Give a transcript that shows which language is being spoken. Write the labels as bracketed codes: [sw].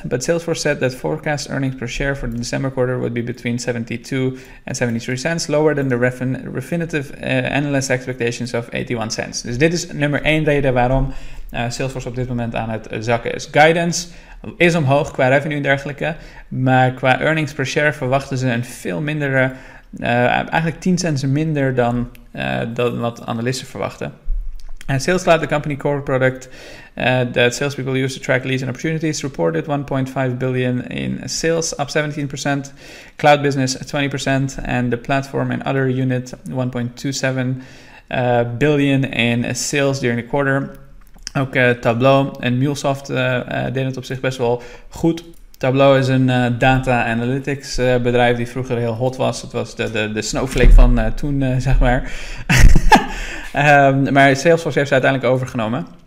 [en] But Salesforce said that forecast earnings per share for the December quarter would be between 72 and 73 cents. Lower than the Refinitiv analyst expectations of 81 cents. [nl] Dus dit is nummer 1 reden waarom Salesforce op dit moment aan het zakken is. Guidance is omhoog qua revenue en dergelijke. Maar qua earnings per share verwachten ze een veel mindere. Eigenlijk 10 cents minder dan wat analisten verwachten. [en] And Sales Cloud, the company core product that salespeople use to track leads and opportunities, reported 1.5 billion in sales, up 17%, cloud business 20%, and the platform and other unit 1.27 billion in sales during the quarter. [nl] Ook Tableau en MuleSoft deden het op zich best wel goed. Tableau is een data analytics bedrijf die vroeger heel hot was. Het was de snowflake van toen, zeg maar. maar Salesforce heeft ze uiteindelijk overgenomen.